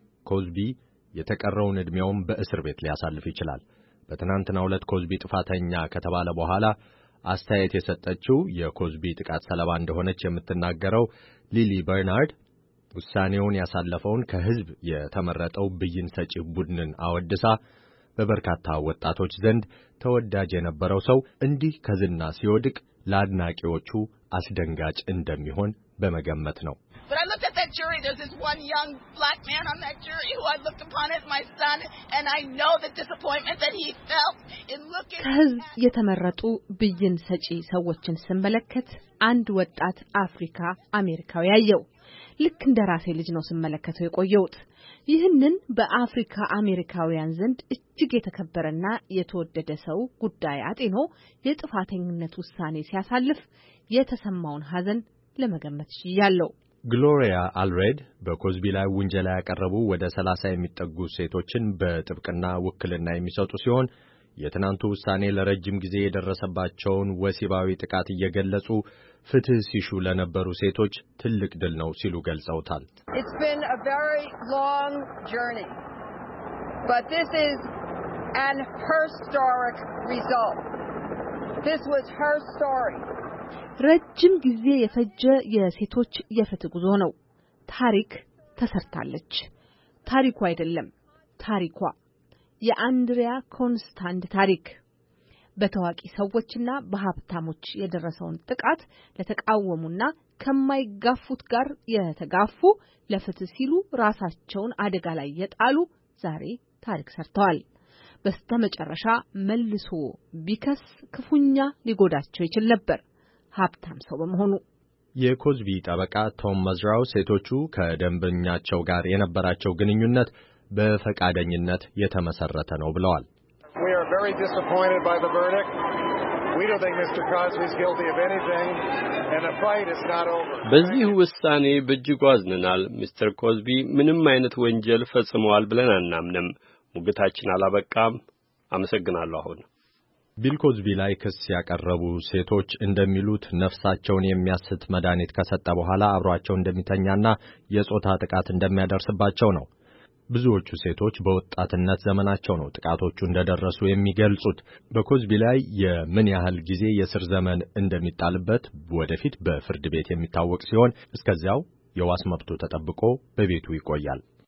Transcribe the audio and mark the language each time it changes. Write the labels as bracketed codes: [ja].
[am] ኮዝቢ የተቀረውን እድሜውን በእስር ቤት ሊያሳልፍ ይችላል። በትናንትናው ዕለት ኮዝቢ ጥፋተኛ ከተባለ በኋላ አስተያየት የሰጠችው የኮዝቢ ጥቃት ሰለባ እንደሆነች የምትናገረው ሊሊ በርናርድ ውሳኔውን ያሳለፈውን ከህዝብ የተመረጠው ብይን ሰጪ ቡድንን አወድሳ በበርካታ ወጣቶች ዘንድ ተወዳጅ የነበረው ሰው እንዲህ ከዝና ሲወድቅ ለአድናቂዎቹ አስደንጋጭ እንደሚሆን በመገመት ነው። [en] But I looked at that jury. There's this one young black man on that jury who I looked upon as my son, and I know the disappointment that he felt in looking at his [am] የተመረጡ ብይን ሰጪ ሰዎችን ስመለከት አንድ ወጣት አፍሪካ አሜሪካዊ ያየው ልክ እንደራሴ ልጅ ነው ስመለከተው የቆየውት። ይህንን በአፍሪካ አሜሪካውያን ዘንድ እጅግ የተከበረና የተወደደ ሰው ጉዳይ አጤኖ የጥፋተኝነት ውሳኔ ሲያሳልፍ የተሰማውን ሐዘን ለመገመት ይያለው። ግሎሪያ አልሬድ በኮዝቢ ላይ ወንጀላ ያቀረቡ ወደ 30 የሚጠጉ ሴቶችን በጥብቅና ውክልና የሚሰጡ ሲሆን የትናንቱ ውሳኔ ለረጅም ጊዜ የደረሰባቸውን ወሲባዊ ጥቃት እየገለጹ ፍትህ ሲሹ ለነበሩ ሴቶች ትልቅ ድል ነው ሲሉ ገልጸውታል። [en] It's been a very long journey. But this is an historic result. This was her story. [am] ረጅም ጊዜ የፈጀ የሴቶች የፍትህ ጉዞ ነው። ታሪክ ተሰርታለች። ታሪኩ አይደለም ታሪኳ የአንድሪያ ኮንስታንት ታሪክ በተዋቂ ሰዎችና በሀብታሞች የደረሰውን ጥቃት ለተቃወሙና ከማይጋፉት ጋር የተጋፉ ለፍትህ ሲሉ ራሳቸውን አደጋ ላይ የጣሉ ዛሬ ታሪክ ሰርተዋል። በስተመጨረሻ መልሶ ቢከስ ክፉኛ ሊጎዳቸው ይችል ነበር። ሀብታም ሰው በመሆኑ የኮዝቢ ጠበቃ ቶም መዝራው ሴቶቹ ከደንበኛቸው ጋር የነበራቸው ግንኙነት በፈቃደኝነት የተመሰረተ ነው ብለዋል። [en] We are very disappointed by the verdict. We don't think Mr. Cosby is guilty of anything and the fight is not over. [am] በዚህ ውሳኔ በእጅጉ አዝነናል። Mr. Cosby ምንም አይነት ወንጀል ፈጽመዋል ብለን አናምንም። ሙግታችን አላበቃም። አመሰግናለሁ። አሁን ቢል ኮዝቢ ላይ ክስ ያቀረቡ ሴቶች እንደሚሉት ነፍሳቸውን የሚያስት መድኃኒት ከሰጠ በኋላ አብሯቸው እንደሚተኛና የጾታ ጥቃት እንደሚያደርስባቸው ነው። ብዙዎቹ ሴቶች በወጣትነት ዘመናቸው ነው ጥቃቶቹ እንደደረሱ የሚገልጹት። በኮዝቢ ላይ የምን ያህል ጊዜ የስር ዘመን እንደሚጣልበት ወደፊት በፍርድ ቤት የሚታወቅ ሲሆን እስከዚያው የዋስ መብቱ ተጠብቆ በቤቱ ይቆያል።